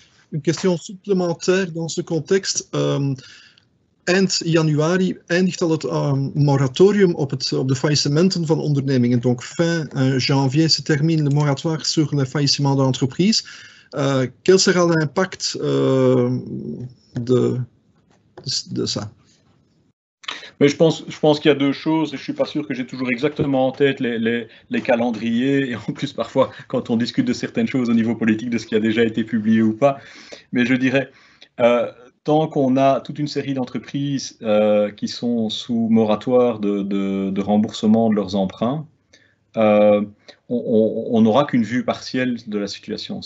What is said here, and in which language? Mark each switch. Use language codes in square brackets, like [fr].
[fr] Een question supplémentaire dans ce contexte. [nl] Eind januari eindigt al het moratorium op de faillissementen van ondernemingen. [fr] Donc fin janvier se termine le moratoire sur les faillissements d'entreprise. Quel sera l'impact de ça? Mais je pense qu'il y a deux choses, et je suis pas sûr que j'ai toujours exactement en tête les calendriers, et en plus parfois quand on discute de certaines choses au niveau politique de ce qui a déjà été publié ou pas, mais je dirais tant qu'on a toute une série d'entreprises qui sont sous moratoire de remboursement de leurs emprunts, on n'aura qu'une vue partielle de la situation.